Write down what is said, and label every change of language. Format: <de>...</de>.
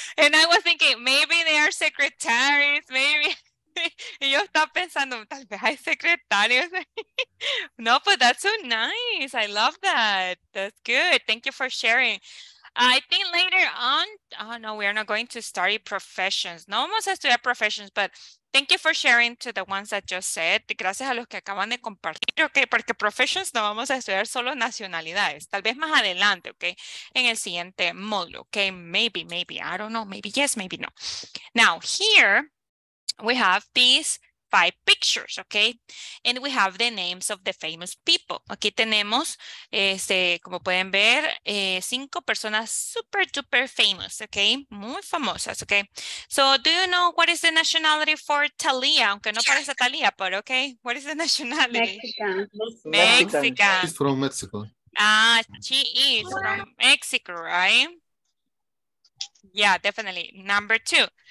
<en>And I was thinking, maybe they are secretaries, maybe.</en> <es>Y yo estaba pensando, tal vez hay secretarios.</es> <en>No, but that's so nice. I love that. That's good. Thank you for sharing. I think later on, oh no, we are not going to study professions.</en> <es>No vamos a estudiar</es> <en>professions, but thank you for sharing to the ones that just said.</en> <es>Gracias a los que acaban de compartir, ok, porque professions no vamos a estudiar solo nacionalidades. Tal vez más adelante, ok, en el siguiente módulo, ok,</es> <en>maybe, I don't know, maybe yes, maybe no. Now, here we have these five pictures, ok, and we have the names of the famous people.</en> <es>Aquí tenemos, como pueden ver, cinco personas</es> <en>super duper famous,</en> <es>ok, muy famosas, ok.</es> <en>So, do you know what is the nationality for Talia?</en> <es>Aunque no parece Talia, pero ok,</es> <en>what is the nationality? Mexican. She's from Mexico. Ah, she is from Mexico, right? Yeah, definitely. Number two.</en>